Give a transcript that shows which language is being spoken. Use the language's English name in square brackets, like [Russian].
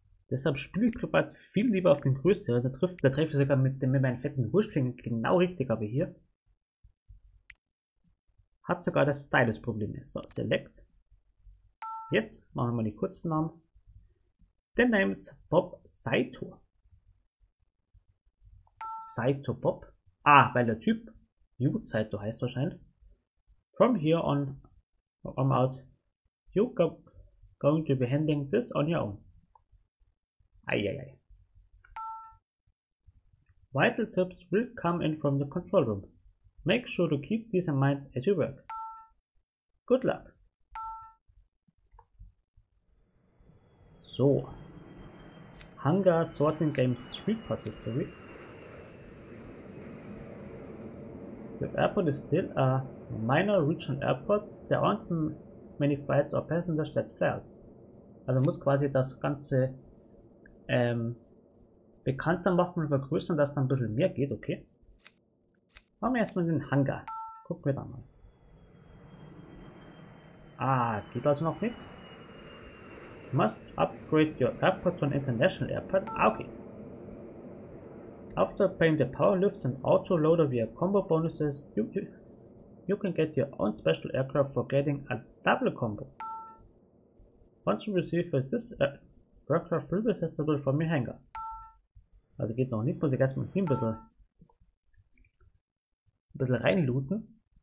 [German] Deshalb spiele ich privat viel lieber auf den größeren. Da treffe ich sogar mit meinen fetten Wurstklingen genau richtig, aber hier hat sogar das Stylus Probleme. So, select. Jetzt machen wir mal die kurzen Namen. Der Name ist Bob Saito. Saito Bob. Ah, weil der Typ Yoot Saito heißt wahrscheinlich. [English] From here on, I'm out. You're going to be handling this on your own. Eieiei. Vital tips will come in from the control room. Make sure to keep these in mind as you work. Good luck. So. Hangar Sorting Game Street Pass History. The airport is still a minor regional airport. There aren't many flights or passengers that fly out. [German] Also muss quasi das Ganze bekannter machen und vergrößern, dass da ein bisschen mehr geht, okay? Machen wir erstmal den Hangar. Gucken wir da mal. Ah, geht also noch nicht. [English] You must upgrade your airport to an international airport. Ah, okay. After paying the power lifts and auto loader via combo bonuses, you can get your own special aircraft for getting a double combo. Once you receive this, aircraft will be accessible from your hangar. [German] Also geht noch nicht, muss ich erstmal hier ein bisschen reinlooten.